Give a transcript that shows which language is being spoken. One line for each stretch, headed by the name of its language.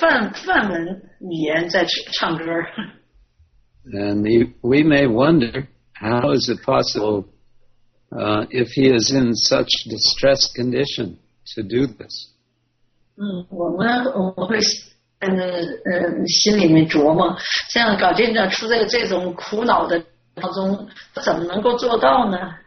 Chinese: 小金哥在唱着一首非常好的歌，好像是以着完美的梵文语言在唱歌。
English: And we may wonder, how is it possible if he is in such distressed condition to do this?
Chinese: 我们会心里面琢磨，像搞这种处在这种苦恼的当中，怎么能够做到呢？